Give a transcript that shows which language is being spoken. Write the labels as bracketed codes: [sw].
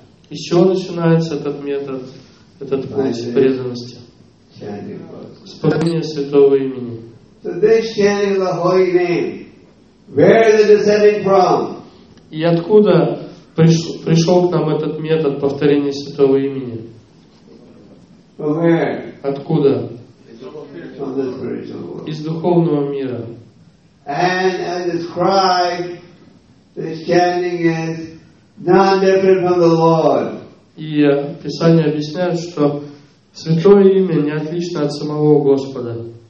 [ru] И с чего начинается этот метод, этот путь преданности? С повторения святого имени. [en] So this chanting of the holy name, where is it descending from? [ru] И откуда пришел к нам этот метод повторения святого имени? [en] From where? [ru] Откуда? [en] From [ru] из духовного мира. [en] And as it's cried, the chanting is none different from the Lord. [ru] И Писание объясняет, что святое имя не отлично от самого Господа.